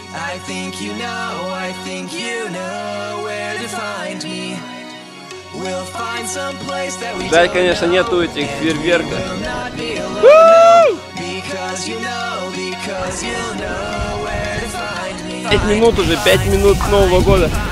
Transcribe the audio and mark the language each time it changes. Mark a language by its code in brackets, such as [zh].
[en] I think you know, I think you know where to find me. We'll find some place that we don't know. [ru] Да, конечно, нету этих фейерверков. [en] Because you know, because you know where to find me. [ru] 5 минут уже, 5 минут Нового года.